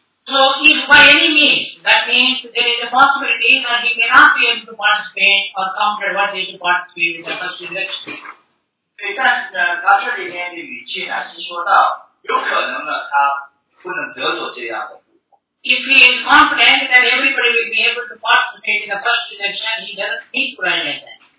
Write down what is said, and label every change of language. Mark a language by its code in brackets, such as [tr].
[en] So if by any means, that means there is a possibility that he may not be able to participate or counted what they should participate in the first resurrection. [zh] 对，但是呢，他这里面的语气呢是说到有可能呢，他不能得着这样的。 [en] If he is confident that everybody will be able to participate in the first resurrection, he doesn't need to write like that.